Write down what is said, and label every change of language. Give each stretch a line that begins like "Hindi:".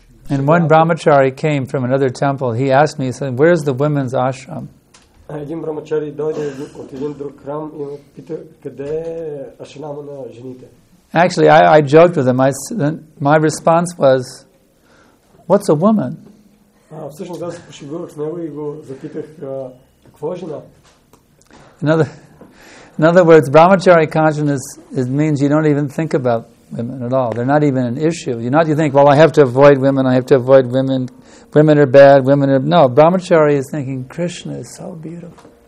English: And one brahmachari came from another temple. He asked me, he said, where is the women's ashram?
Bulgarian: Един брамачари дойде от един друг храм и ме пита, къде е ашрама на жените?
English: Actually, I joked with him. My response was, what's a woman?
Bulgarian: Всъщност аз пошегувах с него и го запитах, какво е жена?
English: In other words, brahmachari consciousness means you don't even think about women at all. They're not even an issue. You think, well, I have to avoid women, I have to avoid women. Women are bad, women are... No, brahmachari is thinking, Krishna is so beautiful.